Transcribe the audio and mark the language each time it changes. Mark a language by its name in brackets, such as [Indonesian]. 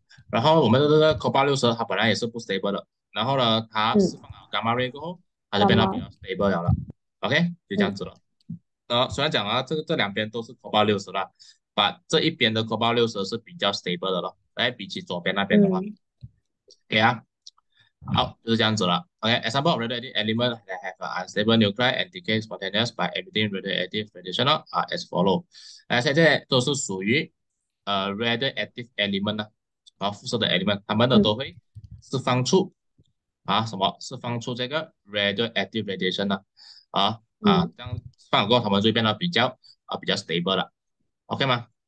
[Chinese] 然后我们的这个 cobalt 60，它本来也是不 stable 的，然后呢，它释放了 gamma ray 过后，它就变得比较 stable 了。OK，就这样子了。虽然讲啊，这两边都是 cobalt 60了，把这一边的 cobalt 60是比较 stable 的了，来比起左边那边的话，OK 啊，好，就是这样子了。 [English] OK，example radioactive element that have an unstable nuclei and decay spontaneous by emitting radioactive radiation as follow。 [Chinese] 现在都是属于radioactive element 呢。啊，辐射的 element，它们的都会释放出啊什么？释放出这个 radioactive radiation 呢？这样放过，它们就变得比较 stable 了，OK 吗？